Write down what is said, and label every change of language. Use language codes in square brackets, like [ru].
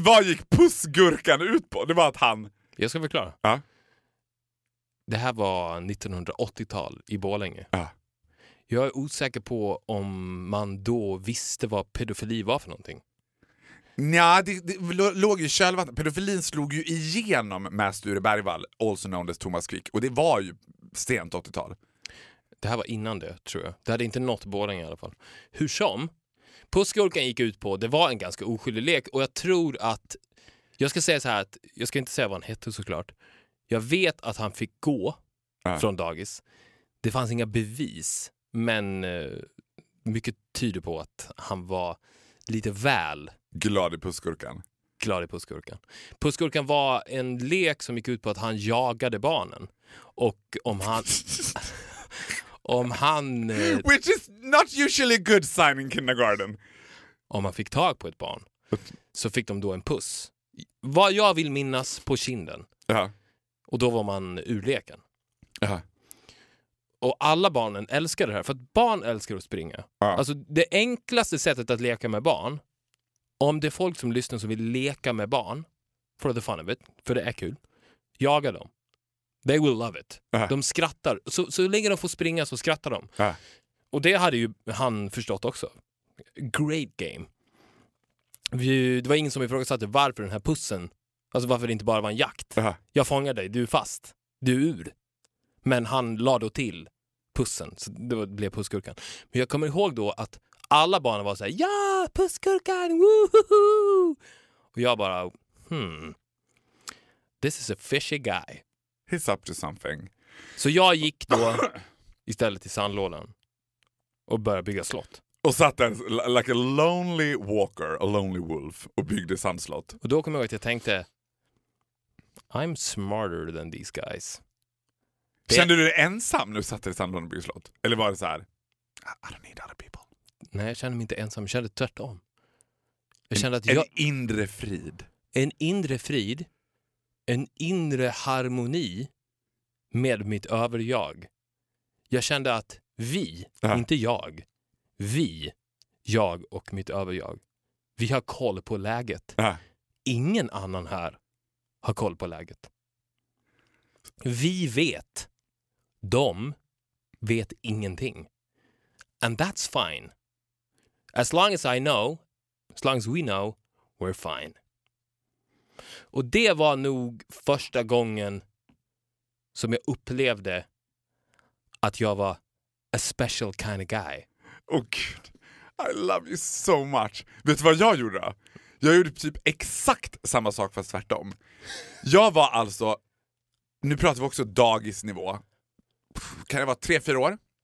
[sv] Men vad gick pussgurkan ut på? Det var att han... Jag ska förklara. Ja. Det här var 1980-tal i Borlänge. Ja. Jag är osäker på om man då visste vad pedofili var för någonting. Ja, det låg ju själva. Pedofilin slog ju igenom med Sture Bergvall, [en] also known as [sv] Thomas Quick. Och det var ju sent 80-tal. Det här var innan det, tror jag. Det hade inte nått båda i alla fall. Hur som, pussgurkan gick ut på, det var en ganska oskyldig lek. Och jag tror att, jag ska säga så här, att, jag ska inte säga vad han hette såklart. Jag vet att han fick gå från dagis. Det fanns inga bevis, men mycket tyder på att han var lite väl... Glad i pussgurkan. Glad i pussgurkan. Pussgurkan var en lek som gick ut på att han jagade barnen. Och om han... om han... [en] Which is not usually a good sign in kindergarten. [sv] Om man fick tag på ett barn så fick de då en puss. Vad jag vill minnas på kinden. Uh-huh. Och då var man ur leken. Uh-huh. Och alla barnen älskar det här. För att barn älskar att springa. Uh-huh. Alltså det enklaste sättet att leka med barn... Om det är folk som lyssnar som vill leka med barn, [en] for the fun of it, [sv] för det är kul, jaga dem. [en] They will love it. Uh-huh. [sv] De skrattar. Så länge de får springa så skrattar de. Uh-huh. Och det hade ju han förstått också. [en] Great game. [sv] Det var ingen som ifrågasatte varför den här pussen, alltså varför det inte bara var en jakt. Uh-huh. Jag fångar dig, du är fast. Du är ur. Men han la då till pussen. Så det blev pussgurkan. Men jag kommer ihåg då att alla barnen var så här, ja, pussgurkan, woohoo! Och jag bara, [en] this is a fishy guy. He's up to something. [sv] Så jag gick då istället till sandlådan och började bygga slott. Och satt där, [en] like a lonely walker, a lonely wolf, [sv] och byggde sandslott. Och då kom jag ihåg att jag tänkte, [en] I'm smarter than these guys. [sv] Kände du dig ensam när du satt i sandlådan och byggde slott? Eller var det så här, [en] I don't need other people. [sv] Nej, jag kände mig inte ensam. Jag kände tvärtom. Jag kände att jag... En inre frid. En inre frid. En inre harmoni med mitt överjag. Jag kände att vi, inte jag, vi, jag och mitt överjag, vi har koll på läget. Ingen annan här har koll på läget. Vi vet. De vet ingenting. [en] And that's fine. As long as I know, as long as we know, we're fine. [sv] Och det var nog första gången som jag upplevde att jag var [en] a special kind of guy. Oh [sv] gud, [en] I love you so much. [sv] Vet du vad jag gjorde? Jag gjorde typ exakt samma sak fast tvärtom. Jag var alltså, nu pratar vi också dagisnivå. Kan jag vara 3-4 år?